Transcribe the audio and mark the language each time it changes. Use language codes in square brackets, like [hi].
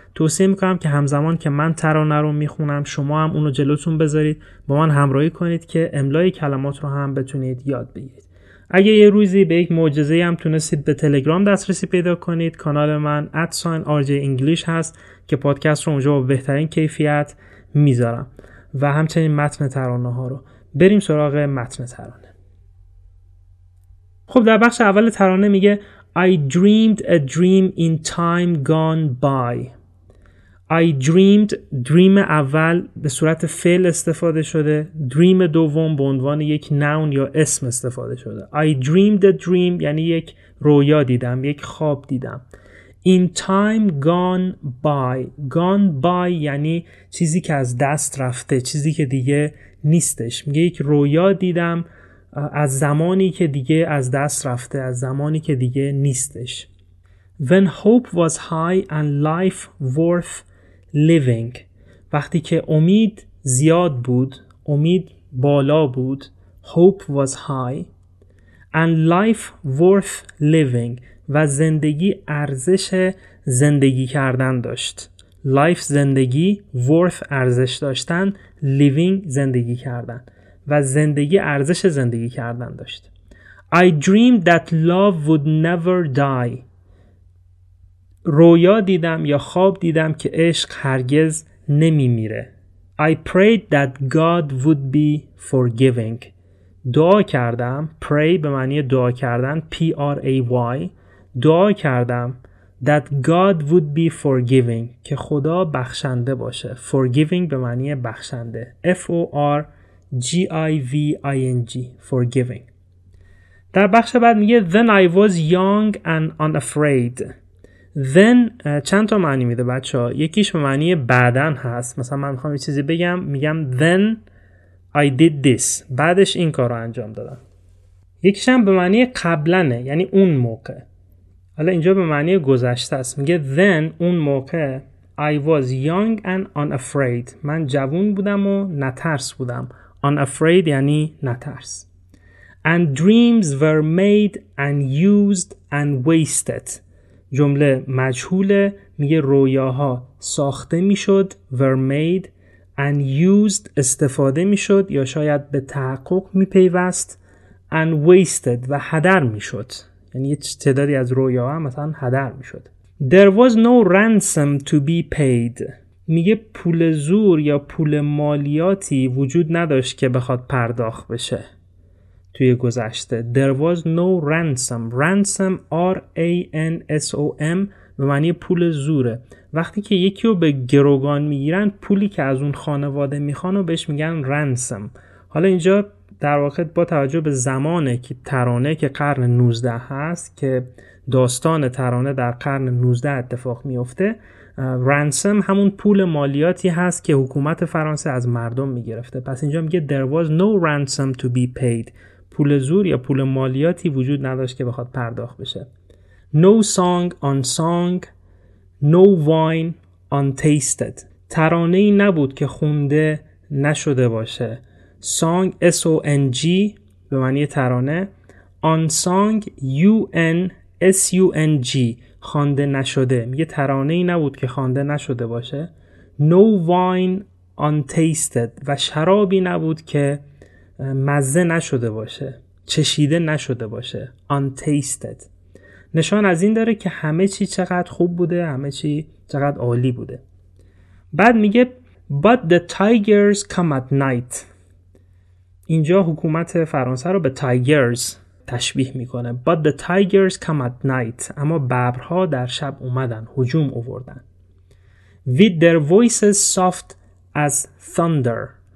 [fa] توصیه میکنم که همزمان که من ترانه رو میخونم شما هم اونو جلوتون بذارید، با من همراهی کنید که املای کلمات رو هم بتونید یاد بگیرید. اگه یه روزی به یک معجزه‌ای هم تونستید به تلگرام دسترسی پیدا کنید، کانال من @rjenglish هست که پادکست رو اونجا با بهترین کیفیت میذارم و همچنین متن ترانه ها رو. بریم سراغ متن ترانه. خب در بخش اول ترانه میگه [en] I dreamed a dream in time gone by. I dreamed، [fa] dream اول به صورت فعل استفاده شده، dream دوم به عنوان یک noun یا اسم استفاده شده. I dreamed a dream یعنی یک رویا دیدم، یک خواب دیدم. [en] In time gone by، [fa] gone by یعنی چیزی که از دست رفته، چیزی که دیگه نیستش. میگه یک رویا دیدم از زمانی که دیگه از دست رفته، از زمانی که دیگه نیستش. [en] When hope was high and life worth living، [fa] وقتی که امید زیاد بود، امید بالا بود، [en] hope was high and life worth living، [fa] و زندگی ارزش زندگی کردن داشت. life زندگی، worth ارزش داشتن، living زندگی کردن، و زندگی ارزش زندگی کردن داشت. [en] I dreamed that love would never die، [fa] رویا دیدم یا خواب دیدم که عشق هرگز نمی میره. [en] I prayed that God would be forgiving، [fa] دعا کردم، pray به معنی دعا کردن، P-R-A-Y، دعا کردم [en] that God would be forgiving، [fa] که خدا بخشنده باشه. forgiving به معنی بخشنده، F-O-R-G-I-V-I-N-G، forgiving. در بخش بعد میگه [en] Then I was young and unafraid. [fa] Then چند تا معنی میده بچه ها؟ یکیش به معنی بعدن هست. مثلا من میخوام یه چیزی بگم، میگم [en] Then I did this، [fa] بعدش این کار رو انجام دادم. یکیش هم به معنی قبلنه، یعنی اون موقع. حالا اینجا به معنی گذشته است. میگه Then اون موقع [en] I was young and unafraid. [fa] من جوان بودم و نترس بودم. Unafraid یعنی نترس. [en] And dreams were made and used and wasted. [fa] جمله مجهوله، میگه رویاها ساخته میشد، [en] were made and used، [fa] استفاده میشد یا شاید به تحقق میپیوست، [en] and wasted [fa] و هدر میشد. یعنی یه تعدادی از رویاها مثلا هدر میشد. [en] There was no ransom to be paid. [fa] میگه پول زور یا پول مالیاتی وجود نداشت که بخواد پرداخت بشه توی گذشته. [en] There was no ransom. [fa] Ransom, R-A-N-S-O-M به معنی پول زوره. وقتی که یکی رو به گروگان میگیرن، پولی که از اون خانواده میخوان و بهش میگن ransom. حالا اینجا در واقع با توجه به زمانه که ترانه که قرن 19 هست، که داستان ترانه در قرن 19 اتفاق میفته، ransom همون پول مالیاتی هست که حکومت فرانسه از مردم میگرفته. پس اینجا میگه [en] there was no ransom to be paid. [fa] پول زور یا پول مالیاتی وجود نداشت که بخواد پرداخت بشه. [en] No song unsung, no wine untasted. [fa] ترانه ای نبود که خونده نشده باشه. Song, S-O-N-G به معنی ترانه. Unsung, U-N-S-U-N-G خوانده نشده. میگه ترانه ای نبود که خوانده نشده باشه. [en] No wine untasted [fa] و شرابی نبود که مزه نشده باشه، چشیده نشده باشه. Untasted نشان از این داره که همه چی چقدر خوب بوده، همه چی چقدر عالی بوده. بعد میگه [en] But the tigers come at night. [fa] اینجا حکومت فرانسه رو به tigers تشبیه میکنه. [en] But the tigers come at night. [fa] اما ببرها در شب اومدن، هجوم آوردن. [en] With their voices soft as thunder.